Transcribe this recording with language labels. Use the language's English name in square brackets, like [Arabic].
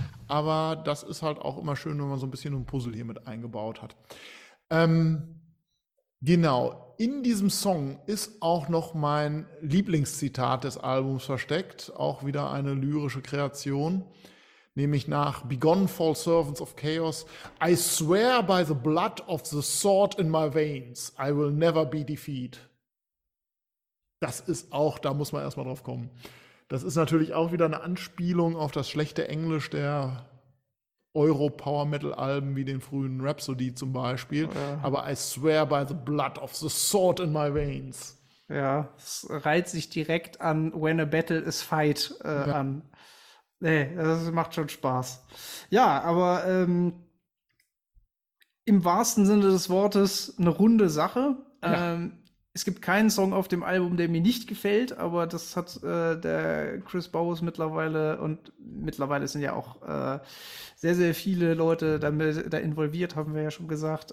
[German] Aber das ist halt auch immer schön, wenn man so ein bisschen ein Puzzle hier mit eingebaut hat. Genau. In diesem Song ist auch noch mein Lieblingszitat des Albums versteckt. Auch wieder eine lyrische Kreation. Nämlich nach [English] Begone, false servants of chaos. I swear by the blood of the sword in my veins, I will never be defeated. [German] Das ist auch, da muss man erstmal drauf kommen. Das ist natürlich auch wieder eine Anspielung auf das schlechte Englisch der Euro-Power-Metal-Alben wie den frühen Rhapsody zum Beispiel. Ja, Aber [English] I swear by the blood of the sword in my veins. [German] es reiht sich direkt an When a Battle is Fight Ja. an. Nee, das macht schon Spaß. Ja, aber im wahrsten Sinne des Wortes eine runde Sache. Ja. Es gibt keinen Song auf dem Album, der mir nicht gefällt, aber das hat der Chris Bowes mittlerweile, und mittlerweile sind ja auch sehr, sehr viele Leute da involviert, haben wir ja schon gesagt.